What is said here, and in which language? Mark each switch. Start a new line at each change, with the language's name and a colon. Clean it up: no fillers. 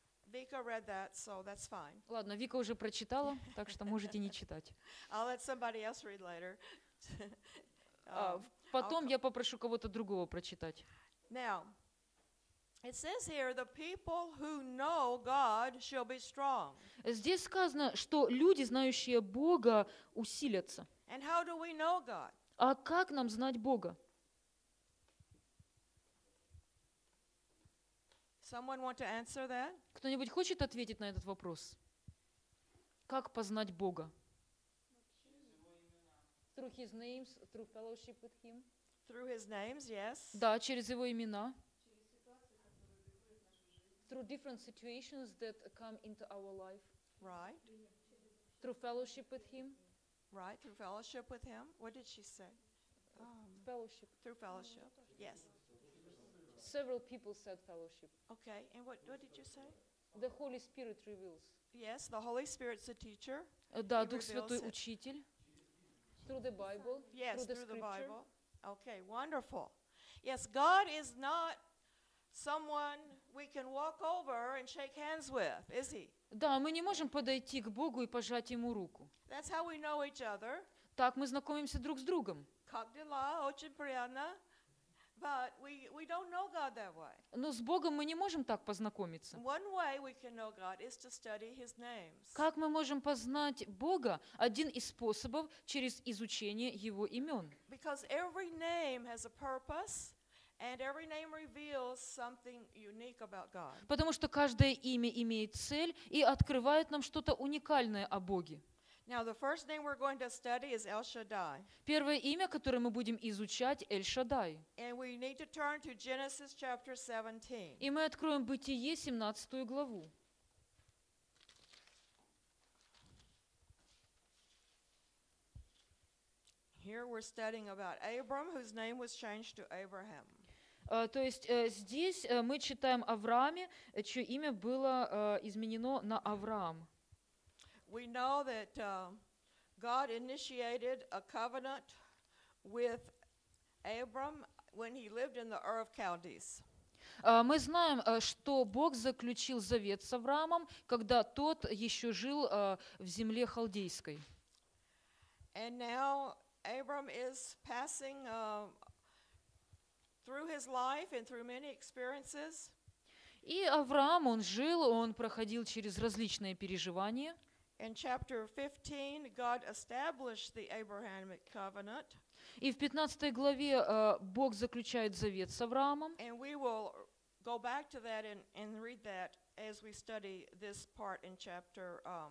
English: Vika read that, so that's fine.
Russian: Ладно, Вика уже прочитала, так что можете не читать.
English: I'll let somebody else read later.
Russian: Потом я попрошу кого-то другого прочитать.
English: Now, it says here, the people who know God shall be strong.
Russian: Здесь сказано, что люди, знающие Бога, усилятся.
English: And how do we know God?
Russian: А как нам знать Бога?
English: Someone want to answer that?
Russian: Кто-нибудь хочет ответить на этот вопрос? Как познать Бога?
English: Through his names, through fellowship with him. Through his names, yes.
Russian: Да, через его имена.
English: Through different situations that come into our life. Right. Through fellowship with him. Right, through fellowship with him. What did she say? Fellowship. Through fellowship, yes. Several people said fellowship. Okay, and what did you say? The Holy Spirit reveals. Yes, the Holy Spirit's a teacher.
Russian: Да, Дух Святой учитель.
English: Through the Bible. Yes, through the Bible. Okay, wonderful. Yes, God is not someone we can walk over and shake hands with, is he?
Russian: Да, мы не можем подойти к Богу и пожать ему руку.
English: That's how we know each other.
Russian: Так мы знакомимся друг с другом. Как дела? Очень приятно.
English: But we don't know God that way.
Russian: Но с Богом мы не можем так познакомиться.
English: One way we can know God is to study his names.
Russian: Как мы можем познать Бога? Один из способов через изучение его имен.
English: Because every name has a purpose And every name reveals something unique about God.
Russian: Потому что каждое имя имеет цель и открывает нам что-то уникальное о Боге.
English: Now the first name we're going to study is El Shaddai.
Russian: Первое имя, которое мы будем изучать, El Shaddai.
English: And we need to turn to Genesis chapter 17.
Russian: И мы откроем Бытие 17 главу.
English: Here we're studying about Abram, whose name was changed to Abraham.
Russian: То есть здесь мы читаем Аврааме, чье имя было изменено на Авраам.
English: We know that God initiated a covenant with Abram when he lived in the Ur of Chaldees.
Russian: Мы знаем, что Бог заключил завет с Авраамом, когда тот еще жил в земле халдейской.
English: And now Abram is passing through his life and through many experiences.
Russian: И Авраам, он жил, он проходил через различные переживания.
English: In chapter 15, God established the Abrahamic covenant.
Russian: И в 15 главе Бог заключает завет с Авраамом.
English: And we will go back to that and read that as we study this part in chapter